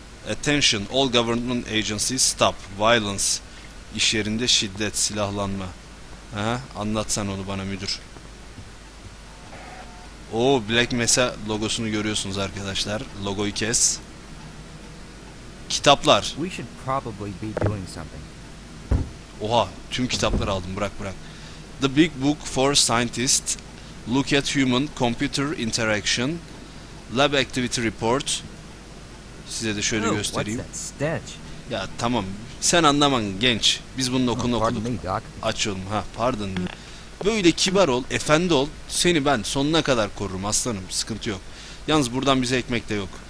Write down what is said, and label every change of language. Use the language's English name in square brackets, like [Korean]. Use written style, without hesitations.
[English] Attention, all government agencies stop. Violence, [Turkish] iş yerinde şiddet, silahlanma. Ha, anlatsan onu bana müdür. Oo, Black Mesa logosunu görüyorsunuz arkadaşlar. Logoyu kes. Kitaplar. [English] We should probably be doing something. [Turkish] Oha, tüm kitapları aldım. Bırak bırak. [English] The Big Book for Scientists. Look at Human Computer Interaction. Lab Activity Report. [Turkish] Size de şöyle göstereyim. [English] What's that stench? [Turkish] Ya tamam, sen anlaman genç. Biz bunun okulunu okuduk. Açıyorum, ha pardon. Böyle kibar ol, efendi ol. Seni ben sonuna kadar korurum aslanım, sıkıntı yok. Yalnız buradan bize ekmek de yok.